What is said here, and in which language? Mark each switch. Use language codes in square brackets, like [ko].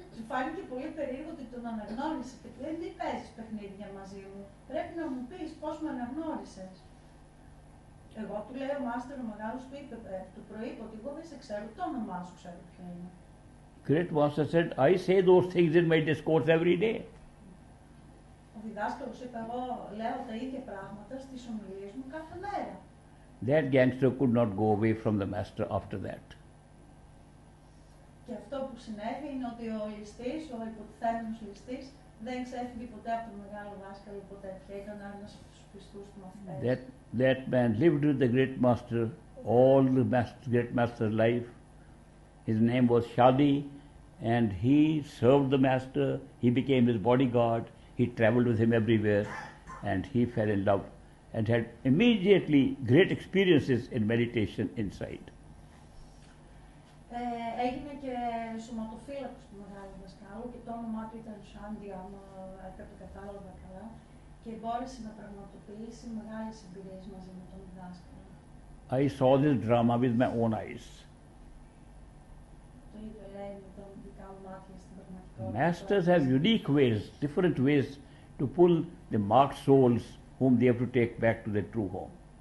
[el] Φάνηκε πολύ περίεργο ότι τον αναγνώρισε και του λέει μη παίζεις παιχνίδια μαζί μου. Πρέπει να μου πεις πώς με αναγνώρισες. Εγώ του λέει ο μάστερ ο μεγάλος του είπε, του προείπε ότι εγώ δεν σε ξέρω, το όνομά σου ξέρω ποιο είναι. [en] Great master said, I say those things in my discourse every day. [el] Ο διδάσκαλος είπε, εγώ λέω τα ίδια πράγματα στις ομιλίες μου κάθε μέρα. [en] That gangster could not go away from the master after that. [el] Και αυτό που συνέβη είναι ότι ο ληστής, ο υποτιθέμενος ληστής, δεν ξέφυγε ποτέ από τον μεγάλο δάσκαλο ποτέ πια. Ήταν ένας από τους πιστούς του μαθητές. [en] That man lived with the great master all the great master's life. His name was Shadi and he served the master. He became his bodyguard. He traveled with him everywhere and he fell in love and had immediately great experiences in meditation insight. [el] Έγινε και σωματοφύλακος του μεγάλου δασκάλου και το όνομά του ήταν Σάντι, άμα έπρεπε κατάλαβα καλά, και μπόρεσε να πραγματοποιήσει μεγάλες εμπειρίες μαζί με τον δάσκαλο. [en] I saw this drama with my own eyes. [el] Το ίδιο λέει με τον δικά μου μάτια στην πραγματικότητα. [en] Masters have unique ways, different ways to pull the marked souls whom they have to take back to their true home.